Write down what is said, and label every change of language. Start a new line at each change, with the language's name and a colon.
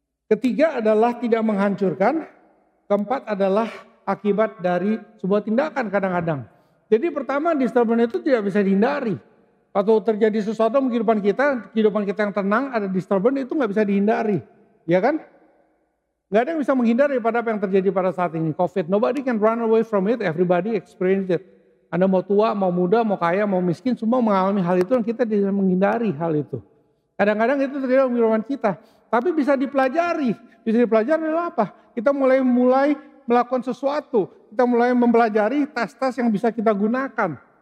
Indonesian: Ketiga adalah tidak menghancurkan. Keempat adalah akibat dari sebuah tindakan kadang-kadang. Jadi pertama, disturbance itu tidak bisa dihindari. Waktu terjadi sesuatu di kehidupan kita yang tenang, ada disturbance itu gak bisa dihindari. Ya kan? Gak ada yang bisa menghindari pada apa yang terjadi pada saat ini.
English: COVID, nobody can run away from it, everybody experience it.
Indonesian: Anda mau tua, mau muda, mau kaya, mau miskin, semua mengalami hal itu dan kita tidak menghindari hal itu. Kadang-kadang itu terjadi dalam kehidupan kita. Tapi bisa dipelajari. Bisa dipelajari adalah apa? Kita mulai melakukan sesuatu. Kita mulai mempelajari tes-tes yang bisa kita gunakan.